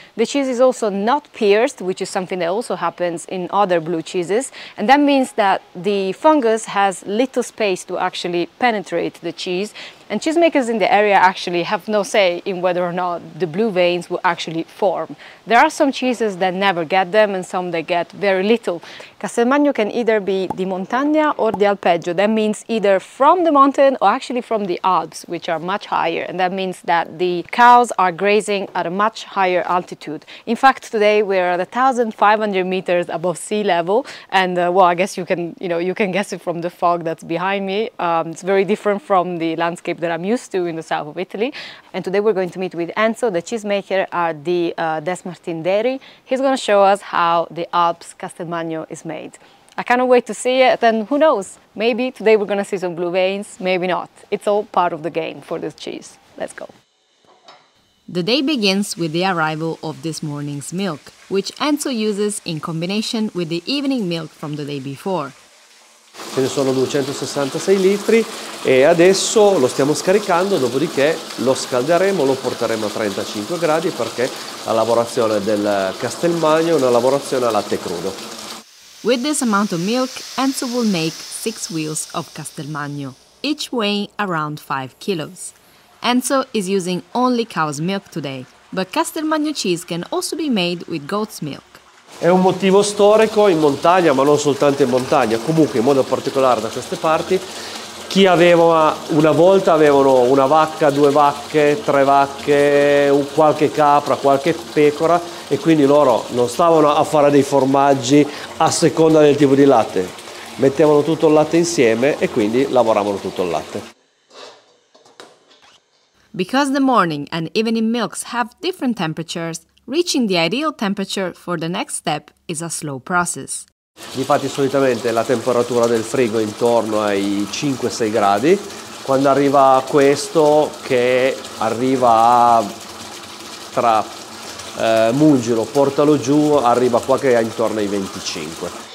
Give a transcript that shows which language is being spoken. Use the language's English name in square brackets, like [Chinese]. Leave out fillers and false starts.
[English] The cheese is also not pierced, which is something that also happens in other blue cheeses, and that means that the fungus has little space to actually penetrate the cheese, and cheesemakers in the area actually have no say in whether or not the blue veins will actually form. There are some cheeses that never get them, and some they get very little. Castelmagno can either be [Italian] di montagna [English] or [Italian] di alpeggio. [English] That means either from the mountain or actually from the Alps, which are much higher. And that means that the cows are grazing at a much higher altitude. In fact, today we are at 1,500 meters above sea level. And I guess you can guess it from the fog that's behind me. It's very different from the landscape that I'm used to in the south of Italy. And today we're going to meet with Enzo, the cheesemaker at the Desmartin Dairy. He's going to show us how the Alps Castelmagno is made. I cannot wait to see it, and who knows, maybe today we're gonna see some blue veins, maybe not. It's all part of the game for this cheese. Let's go. The day begins with the arrival of this morning's milk, which Enzo uses in combination with the evening milk from the day before. [Italian] Ce ne sono 266 litri e adesso lo stiamo scaricando, dopodiché lo scalderemo, lo porteremo a 35 gradi perché la lavorazione del Castelmagno è una lavorazione a latte crudo. [English] With this amount of milk, Enzo will make 6 wheels of Castelmagno, each weighing around 5 kilos. Enzo is using only cow's milk today, but Castelmagno cheese can also be made with goat's milk. [Italian] È un motivo storico in montagna, ma non soltanto in montagna, comunque in modo particolare da queste parti, chi aveva una volta avevano una vacca, due vacche, tre vacche, qualche capra, qualche pecora, e quindi loro non stavano a fare dei formaggi a seconda del tipo di latte, mettevano tutto il latte insieme e quindi lavoravano tutto il latte. [English] Because the morning and evening milks have different temperatures, reaching the ideal temperature for the next step is a slow process. [Italian] Difatti solitamente la temperatura del frigo è intorno ai 5-6 gradi. Quando arriva questo, che arriva tra mungilo, portalo giù, arriva qua che è intorno ai 25.